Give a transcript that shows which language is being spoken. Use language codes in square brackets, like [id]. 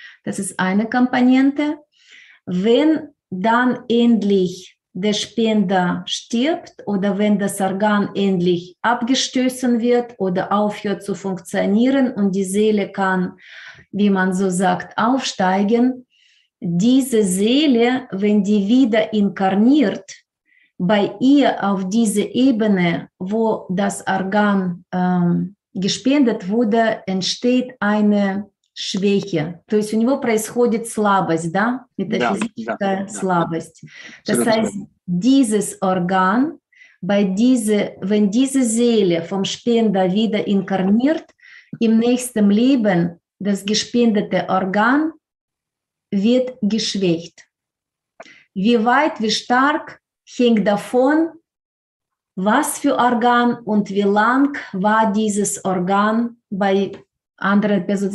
[de] Das ist eine Komponente. Wenn dann endlich der Spender stirbt oder wenn das Organ endlich abgestoßen wird oder aufhört zu funktionieren und die Seele kann, wie man so sagt, aufsteigen, diese Seele, wenn die wieder inkarniert, bei ihr auf diese Ebene, wo das Organ gespendet wurde, entsteht eine Schwäche. [ru] То есть у него происходит слабость, да? Метафизическая слабость. [de] Das heißt, dieses Organ, wenn diese Seele vom Spender wieder inkarniert, im nächsten Leben das gespendete Organ wird geschwächt. Wie weit, wie stark hängt davon, was für Organ und wie lang war dieses Organ bei anderen Personen.